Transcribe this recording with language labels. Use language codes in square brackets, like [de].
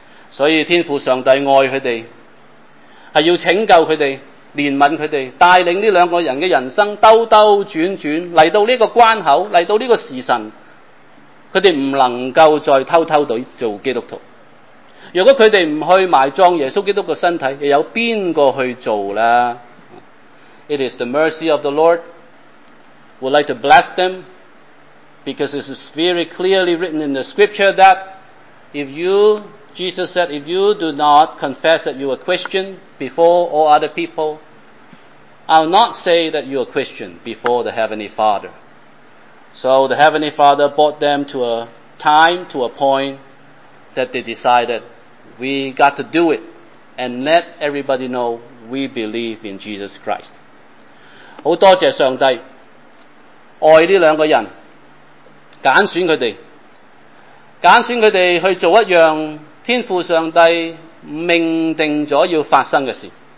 [zh] 所以天父上帝爱他们，是要拯救他们，怜悯他们，带领这两个人的人生兜兜转转来到这个关口，来到这个时辰，他们不能够再偷偷地做基督徒。如果他们不去埋葬耶稣基督的身体，又有哪个去做呢？ [en] It is the mercy of the Lord. We'd like to bless them because it is very clearly written in the scripture that Jesus said, if you do not confess that you are Christian before all other people, I'll not say that you are Christian before the Heavenly Father. So the Heavenly Father brought them to a time, to a point that they decided, we got to do it and let everybody know we believe in Jesus Christ. [zh] 好多谢上帝爱这两个人，拣选他们，拣选他们去做一样天父上帝命定了要发生的事。